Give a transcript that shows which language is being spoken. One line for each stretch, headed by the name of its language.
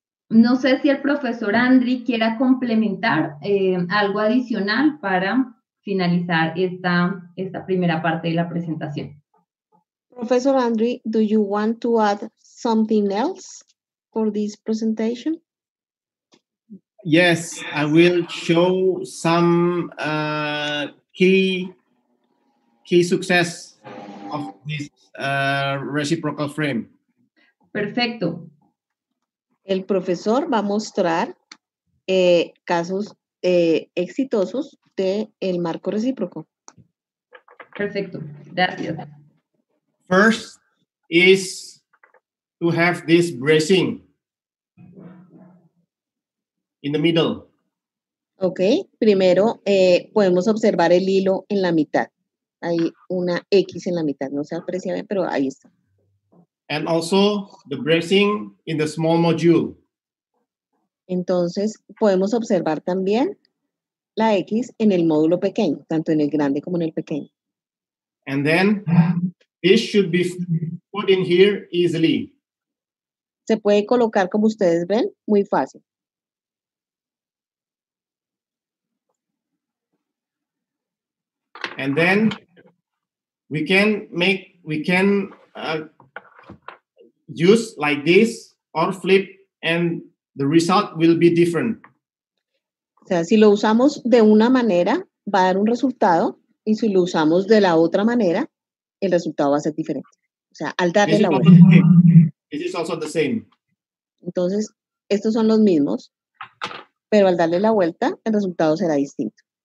Spanish: No sé si el profesor Andri quiera complementar algo adicional para finalizar esta primera parte de la presentación.
English: Professor Andri, do you want to add something else for this presentation? Yes, I will show some key success of this reciprocal frame.
Spanish: Perfecto. El profesor va a mostrar casos exitosos de el marco recíproco. Perfecto. Gracias.
English: First is to have this bracing. In the middle.
Spanish: Ok, primero podemos observar el hilo en la mitad. Hay una X en la mitad, no se aprecia bien, pero ahí está.
English: And also the bracing in the small module.
Spanish: Entonces podemos observar también la X en el módulo pequeño, tanto en el grande como en el pequeño.
English: And then this should be put in here easily.
Spanish: Se puede colocar, como ustedes ven, muy fácil.
English: And then we can make, we can use like this or flip, and the result will be different.
Spanish: O sea, si lo usamos de una manera, va a dar un resultado, y si lo usamos de la otra manera, el resultado va a ser diferente. O sea, al darle la vuelta.
English: This is also the same.
Spanish: Entonces, estos son los mismos, pero al darle la vuelta, el resultado será distinto.